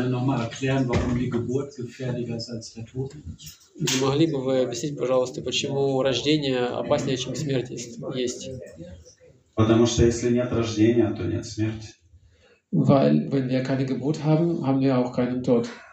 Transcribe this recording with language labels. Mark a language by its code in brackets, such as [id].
[de] er nochmal erklären, warum die Geburt gefährlicher ist als der Tod? [ru] Не могли бы вы объяснить, пожалуйста, почему рождение опаснее, чем смерть есть? Потому что если нет рождения, то нет смерти. [de] Weil wenn wir keine Geburt haben, haben wir auch keinen Tod.